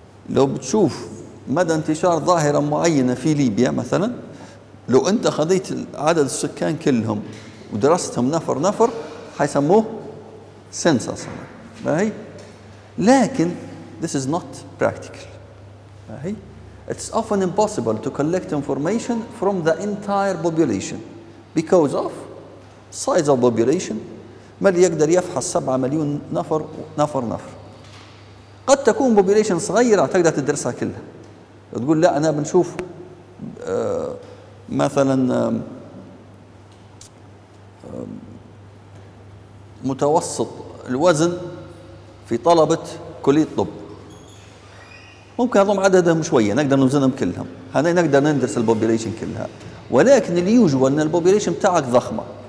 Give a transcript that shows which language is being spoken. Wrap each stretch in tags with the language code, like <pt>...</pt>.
<ar>لو بتشوف مدى انتشار ظاهرة معينة في ليبيا مثلا، لو انت خذيت عدد السكان كلهم ودرستهم نفر نفر حيسموه سنسس، باهي؟ لكن</ar> <en>this is not practical. It's often impossible to collect information from the entire population because of size of population.</en> <ar>ما اللي يقدر يفحص 7 مليون نفر نفر نفر؟ قد تكون population صغيرة تقدر تدرسها كلها. تقول لا أنا بنشوف مثلا متوسط الوزن في طلبة كلية طب، ممكن هذوم عددهم شويه نقدر نوزنهم كلهم، هنا نقدر ندرس البوبوليشن كلها، ولكن اليوجوال ان البوبوليشن بتاعك ضخمه</ar>